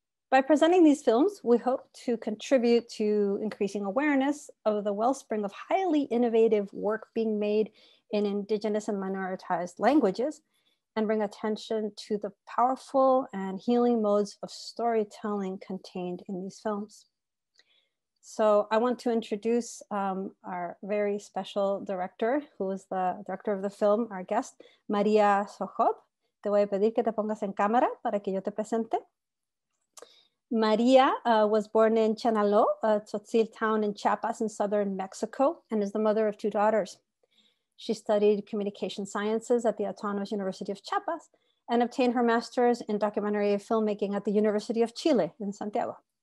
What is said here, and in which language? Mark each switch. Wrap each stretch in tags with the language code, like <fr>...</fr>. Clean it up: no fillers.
<en>By presenting these films, we hope to contribute to increasing awareness of the wellspring of highly innovative work being made in indigenous and minoritized languages, and bring attention to the powerful and healing modes of storytelling contained in these films. So I want to introduce our very special director, who is the director of the film, our guest, María Sojob.</en> <es>Te voy a pedir que te pongas en cámara para que yo te presente.</es> <en>María was born in Chenaló, a Tzotzil town in Chiapas in southern Mexico, and is the mother of two daughters. She studied communication sciences at the Autonomous University of Chiapas and obtained her master's in documentary filmmaking at the University of Chile in Santiago.</en>